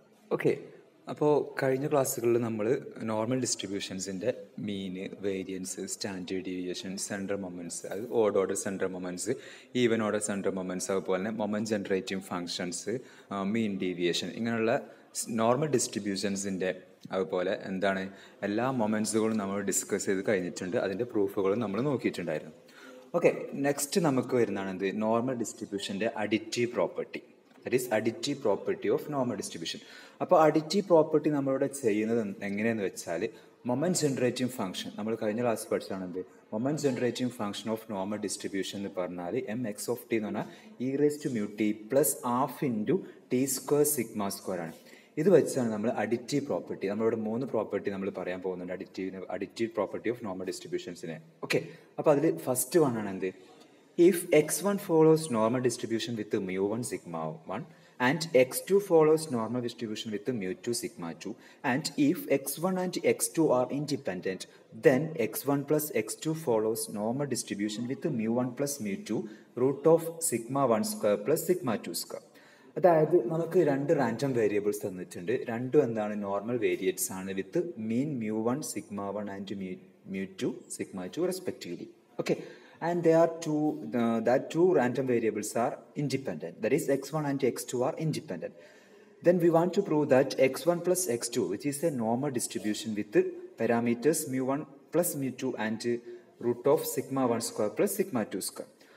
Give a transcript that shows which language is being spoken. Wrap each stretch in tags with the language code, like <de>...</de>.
<ml>Okay, അപ്പോൾ കഴിഞ്ഞ ക്ലാസ്സുകളിൽ നമ്മൾ നോർമൽ ഡിസ്ട്രിബ്യൂഷൻസിൻ്റെ മീൻ, variance, standard deviation, central moments, അത് odd order central moments, even order central moments, അതുപോലെ തന്നെ moment generating functions, mean deviation, ഇങ്ങനെയുള്ള നോർമൽ ഡിസ്ട്രിബ്യൂഷൻസിൻ്റെ അതുപോലെ എന്താണ് എല്ലാ മൊമെൻറ്റ്സുകളും നമ്മൾ ഡിസ്കസ് ചെയ്ത് കഴിഞ്ഞിട്ടുണ്ട്. അതിൻ്റെ പ്രൂഫുകളും നമ്മൾ നോക്കിയിട്ടുണ്ടായിരുന്നു. ഓക്കെ, നെക്സ്റ്റ് നമുക്ക് വരുന്നതാണ് എന്ത്, normal ഡിസ്ട്രിബ്യൂഷൻ്റെ additive property.</ml> <en>That is additive property of normal distribution.</en> <ml>അപ്പോൾ additive property നമ്മളിവിടെ ചെയ്യുന്നത് എങ്ങനെയെന്ന് വെച്ചാൽ, മൊമെൻറ്റ് ജനറേറ്റിംഗ് ഫംഗ്ഷൻ നമ്മൾ കഴിഞ്ഞ class പഠിച്ചതാണെന്ത്, moment generating function of normal distribution എന്ന് പറഞ്ഞാൽ എം എക്സ് ഓഫ് ടി എന്ന് പറഞ്ഞാൽ E raise to mu T plus half into T square sigma square ആണ്. ഇത് വെച്ചാണ് നമ്മൾ അഡിറ്റീവ് പ്രോപ്പർട്ടി, നമ്മളിവിടെ മൂന്ന് പ്രോപ്പർട്ടി നമ്മൾ പറയാൻ പോകുന്നുണ്ട് additive property of normal ഡിസ്ട്രിബ്യൂഷൻസിനെ. Okay, അപ്പോൾ അതിൽ ഫസ്റ്റ് വൺ ആണ് എന്ത്,</ml> <en>If x1 follows normal distribution with mu1 sigma1 and x2 follows normal distribution with mu2 sigma2 and if x1 and x2 are independent, then x1 plus x2 follows normal distribution with mu1 plus mu2 root of sigma1 square plus sigma2 square.</en> <ml>അതായത് നമുക്ക് രണ്ട് random variables തന്നിട്ടുണ്ട്, രണ്ടും എന്താണ് normal variance ആണ്</ml> <en>With mean mu one sigma one and mu two sigma two respectively. Okay, and they are two that two random variables are independent, that is x1 and x2 are independent. Then we want to prove that x1 plus x2, which is a normal distribution with the parameters mu1 plus mu2 and root of sigma1 square plus sigma2 square.</en>